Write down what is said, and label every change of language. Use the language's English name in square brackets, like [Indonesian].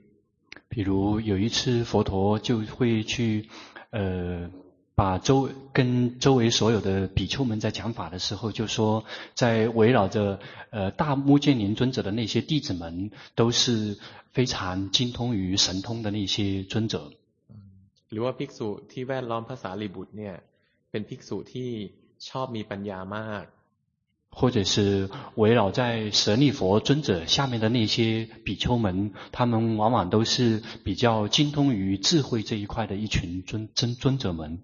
[Chinese] 比如有一次佛陀就会去把周跟周围所有的比丘们在讲法的时候，就说在围绕着大目犍连尊者的那些弟子们，都是非常精通于神通的那些尊者。 [Thai] หรือว่าภิกษุที่แวดล้อมพระสารีบุตรเนี่ยเป็นภิกษุที่ชอบมีปัญญามาก。 [Chinese] 或者是围绕在舍利佛尊者下面的那些比丘们，他们往往都是比较精通于智慧这一块的一群尊者们。